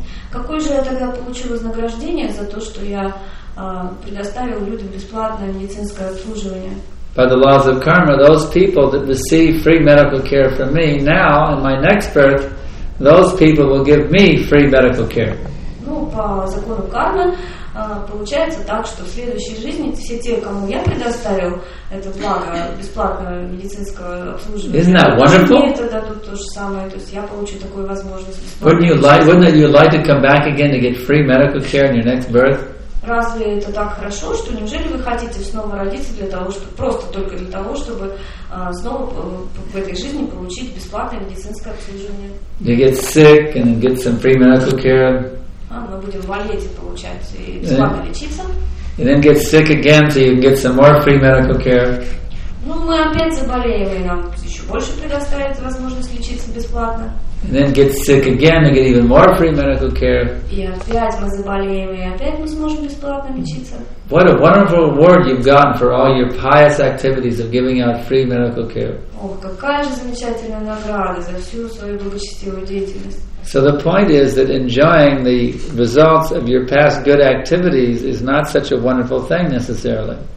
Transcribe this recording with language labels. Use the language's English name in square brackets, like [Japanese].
[Russian] Какое же я тогда получу вознаграждение за то, что я предоставил людям бесплатное медицинское обслуживание? [English] By the laws of karma, those people that receive free medical care from me now in my next birth, those people will give me free medical care. [Russian] Ну, по закону кармы получается так, что в следующей жизни все те, кому я предоставил это благо бесплатного медицинского обслуживания, [English] isn't that wonderful? [Russian] Мне это дадут то же самое, то есть я получу такую возможность. [English] Wouldn't you like to come back again to get free medical care in your next birth? [Russian] Разве это так хорошо, что неужели вы хотите снова родиться для того, чтобы просто только для того, чтобы снова в этой жизни получить бесплатное медицинское обслуживание? [English] You get sick and then get some free medical care. [Russian] Мы будем болеть и получать и бесплатно лечиться. [English] And then get sick again, so you can get some more free medical care. [Russian] Ну, мы опять заболеем, и нам еще больше предоставят возможность лечиться бесплатно. [English] And then get sick again and get even more free medical care. [Russian] И опять мы заболеем, и опять мы сможем бесплатно лечиться. [English] What a wonderful reward you've gotten for all your pious activities of giving out free medical care. [Russian] Ох, какая же замечательная награда за всю свою благочестивую деятельность. [English] So the point is that enjoying the results of your past good activities is not such a wonderful thing necessarily.